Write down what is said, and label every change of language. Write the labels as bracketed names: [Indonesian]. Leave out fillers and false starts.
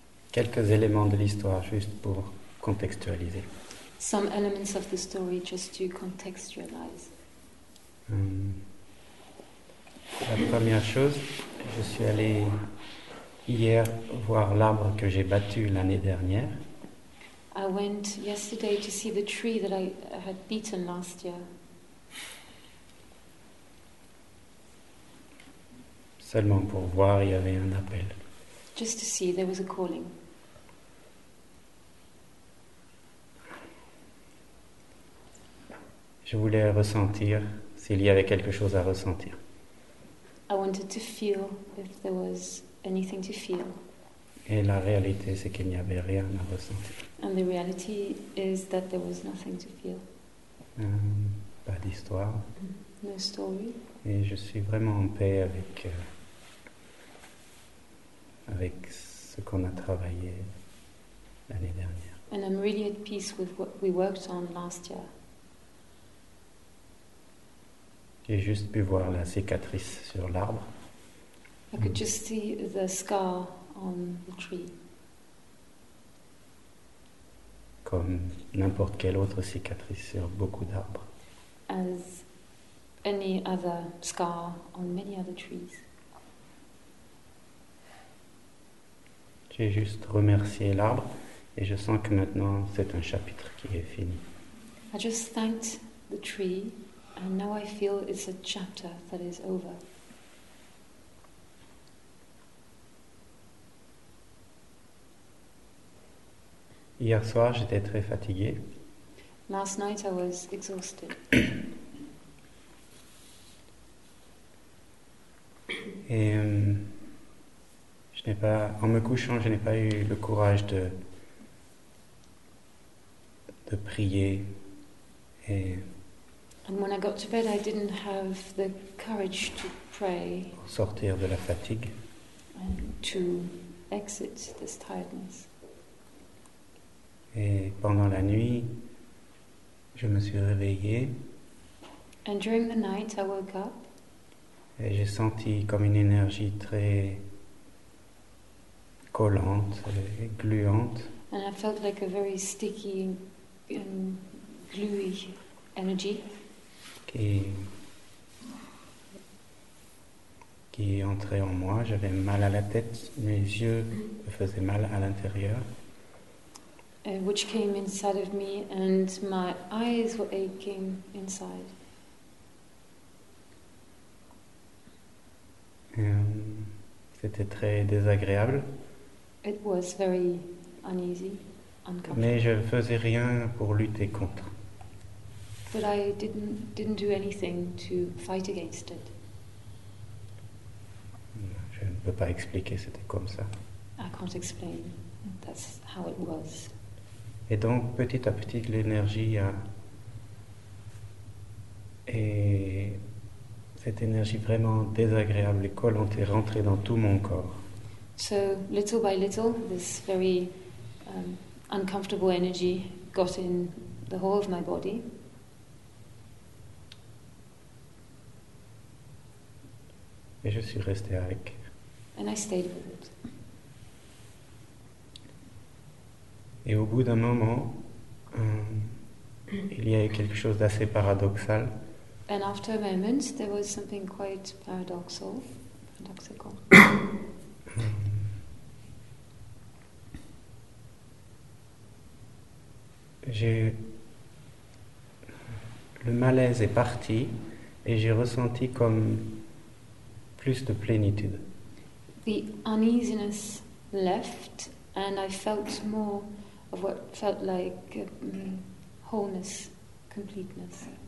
[French] Quelques éléments de l'histoire, juste pour contextualiser. [English] Some elements of the story, just to contextualize. [French] La première chose, je suis allé hier voir l'arbre que j'ai battu l'année dernière. [English] I went yesterday to see the tree that I had beaten last year. [French] Seulement pour voir, il y avait un appel. [English] Just to see, there was a calling. [French] Je voulais ressentir s'il y avait quelque chose à ressentir. [English] I wanted to feel if there was anything to feel. [French] Et la réalité, c'est qu'il n'y avait rien à ressentir. [English] And the reality is that there was nothing to feel. [French] Pas d'histoire. [English] No story. [French] Et je suis vraiment en paix avec avec ce qu'on a travaillé l'année dernière. [English] And I'm really at peace with what we worked on last year. [French] J'ai juste pu voir la cicatrice sur l'arbre. [English] I could just see the scar on the tree. [French] Comme n'importe quelle autre cicatrice sur beaucoup d'arbres. [English] As any other scar on many other trees. [French] J'ai juste remercié l'arbre et je sens que maintenant c'est un chapitre qui est fini. [English] I just thanked the tree. And now I feel it's a chapter that is over. [French] Hier soir, j'étais très fatigué. [English] Last night I was exhausted. [French] Et je n'ai pas, en me couchant, je n'ai pas eu le courage de prier et. [English] And when I got to bed, I didn't have the courage to pray. [French] Sortir de la fatigue. [English] And to exit this tiredness. [French] Et pendant la nuit, je me suis réveillé. [English] And during the night, I woke up. [French] Et j'ai senti comme une énergie très collante et gluante. [English] And I felt like a very sticky and gluey energy. [French] Qui entrait en moi. J'avais mal à la tête, mes yeux me faisaient mal à l'intérieur. [English] Which came inside of me and my eyes were aching inside. [French] C'était très désagréable. [English] It was very uneasy, uncomfortable. [French] Mais je ne faisais rien pour lutter contre. [English] But I didn't do anything to fight against it. [French] Je ne peux pas expliquer, c'était comme ça. [English] I can't explain. That's how it was. [French] Et donc, petit à petit, l'énergie a... Et cette énergie vraiment désagréable et collante est rentrée dans tout mon corps. [English] So, little by little, this very uncomfortable energy got in the whole of my body. [French] Et je suis resté avec. [English] And I stayed with it. [French] Et au bout d'un moment, il y a eu quelque chose d'assez paradoxal. [English] And after a moment, there was something quite paradoxal. Paradoxical. [French] J'ai... Le malaise est parti et j'ai ressenti comme... plus de plénitude. [English] The uneasiness left and I felt more of what felt like wholeness, completeness.